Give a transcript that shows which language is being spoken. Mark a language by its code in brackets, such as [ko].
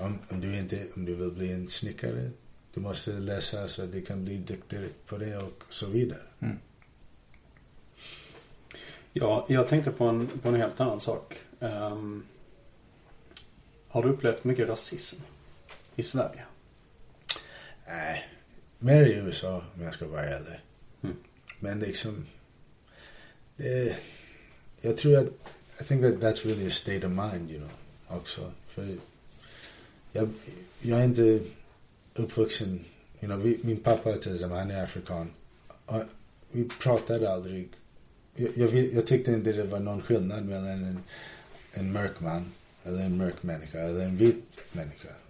[sv] Om du vill bli en snickare, du måste läsa så att du kan bli duktig på det och så vidare. Ja, jag tänkte på en helt annan sak. Har du upplevt mycket rasism i Sverige? Nej, mer i USA om jag ska vara ärlig. Men liksom, jag tror att [en] I think that that's really a state of mind, you know, [sv] också. För jag är inte uppvuxen, [en] you know, [sv] min pappa till exempel, han är afrikan. Vi pratade aldrig, jag tyckte inte det var någon skillnad mellan en mörk man eller en mörk människa eller en vit människa.